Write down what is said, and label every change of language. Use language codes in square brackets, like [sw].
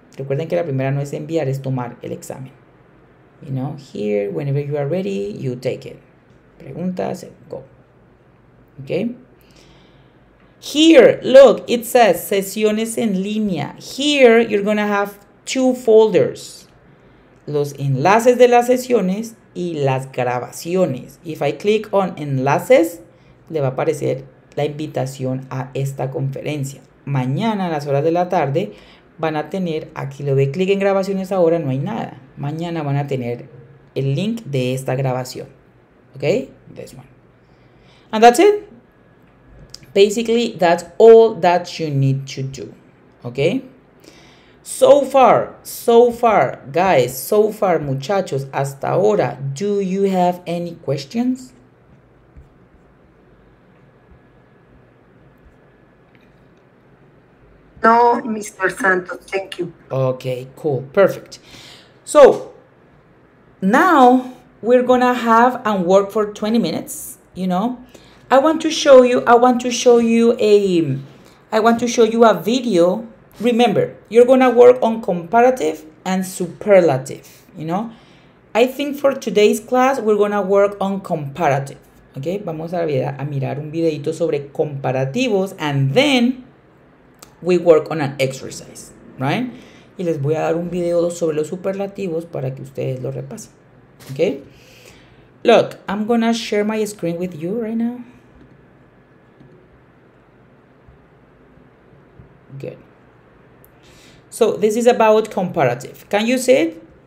[es] Recuerden que la primera no es enviar, es tomar el examen. [en] You know, here, whenever you are ready, you take it. Preguntas, go. Okay? Here, look, it says [es] sesiones en línea. [en] Here, you're going to have two folders. [es] Los enlaces de las sesiones y las grabaciones. [en] If I click on [es] enlaces, le va a aparecer la invitación a esta conferencia. Mañana, a las horas de la tarde, van a tener, aquí lo ve, clic en grabaciones ahora, no hay nada. Mañana van a tener el link de esta grabación. [en] Ok, this one. And that's it. Basically, that's all that you need to do. Ok. So far, guys, so far, [es] muchachos, hasta ahora, [en] do you have any questions? No, Mr. Santos, thank you. Okay, cool, perfect. So, now we're going to have and work for 20 minutes, you know. I want to show you a video. Remember, you're going to work on comparative and superlative, you know. I think for today's class, we're going to work on comparative, okay. [es] Vamos a mirar un videito sobre comparativos [en] and then we work on an exercise, right? [es] Y les voy a dar un video sobre los superlativos para que ustedes lo repasen, okay? [en] Look, I'm gonna share my screen with you right now. Good. So this is about comparative. Can you see it?